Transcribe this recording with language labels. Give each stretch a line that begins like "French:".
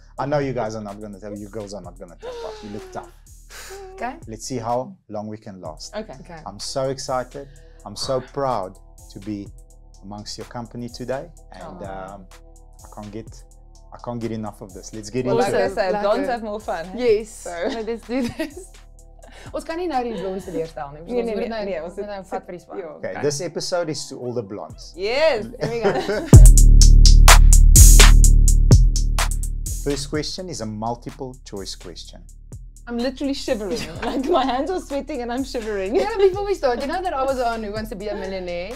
English: I know you guys are not going to tell. You girls are not going to tap out. You look tough. Okay. Let's see how long we can last. Okay. I'm so excited. I'm so proud to be amongst your company today. And I can't get enough of this. Let's get into it. Well, like I said, don't have more fun. Hey? Yes. So. Let's do this.
Afrikaans: Ons kan nie nou die blondes leerstel nie. Ons moet nou nee, ons moet nou vat vir die span.
English: Okay, this episode is to all the blondes. Yes, here we go. First question is a multiple choice question. I'm literally shivering. Like, my hands are sweating and I'm shivering. Yeah, before we start, you know that I was on Who Wants to Be a Millionaire?